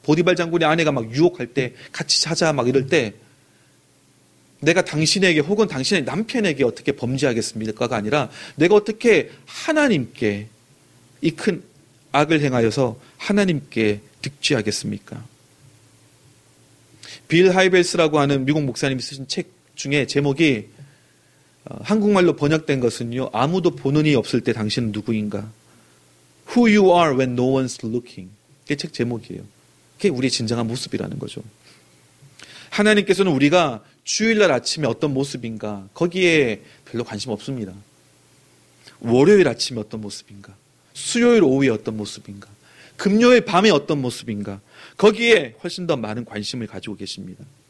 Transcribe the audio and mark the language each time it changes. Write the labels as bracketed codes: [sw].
[ko] 보디발 장군의 아내가 막 유혹할 때 같이 자자 막 이럴 때 내가 당신에게 혹은 당신의 남편에게 어떻게 범죄하겠습니까가 아니라 내가 어떻게 하나님께 이 큰 악을 행하여서 하나님께 득죄하겠습니까? 빌 하이벨스라고 하는 미국 목사님이 쓰신 책 중에 제목이 한국말로 번역된 것은요, 아무도 보는 이 없을 때 당신은 누구인가? [en] Who you are when no one's looking. [ko] 그게 책 제목이에요. 그게 우리의 진정한 모습이라는 거죠. 하나님께서는 우리가 주일날 아침에 어떤 모습인가 거기에 별로 관심 없습니다. 월요일 아침에 어떤 모습인가, 수요일 오후에 어떤 모습인가, 금요일 밤에 어떤 모습인가 거기에 훨씬 더 많은 관심을 가지고 계십니다.